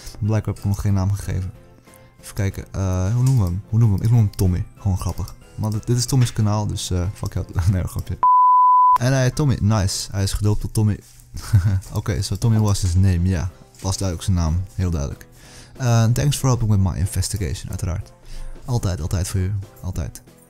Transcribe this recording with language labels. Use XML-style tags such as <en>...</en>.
<nl>Blijkbaar heb ik hem nog geen naam gegeven. Even kijken, hoe noemen we hem? Hoe noemen we hem? Ik noem hem Tommy. Gewoon grappig. Maar dit is Tommy's kanaal, dus fuck jou. Nee, grapje. En hij Tommy, nice. Hij is gedoopt tot Tommy.</nl> <en>Oké, so Tommy was his name,</en> <nl>ja. Was duidelijk zijn naam, heel duidelijk.</nl> <en>Thanks for helping with my investigation,</en> <nl>uiteraard. Altijd, altijd voor u, altijd.</nl>